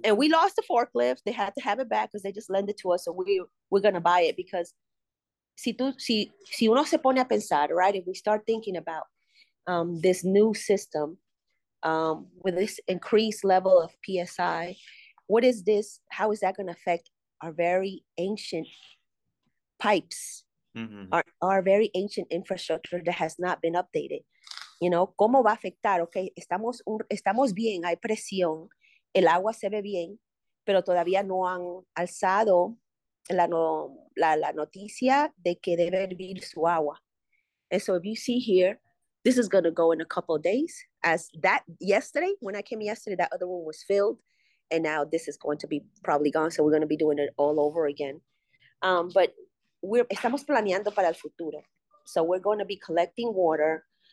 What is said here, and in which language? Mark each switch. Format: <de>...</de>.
<en>And we lost the forklift. They had to have it back because they just lent it to us. So we're going to buy it because</en> <es>si uno se pone a pensar,</es> <en>right, if we start thinking about this new system with this increased level of PSI, what is this? How is that going to affect our very ancient pipes, our very ancient infrastructure that has not been updated? You know,</en> <es>¿cómo va a afectar? Okay, estamos bien, hay presión, el agua se ve bien, pero todavía no han alzado la noticia de que debe hervir su agua.</es> <en>And so if you see here, this is going to go in a couple of days. As that yesterday, when I came yesterday, that other one was filled. And now this is going to be probably gone. So we're going to be doing it all over again. But</en> <es>estamos planeando para el futuro.</es> <en>So we're going to be collecting water.</en>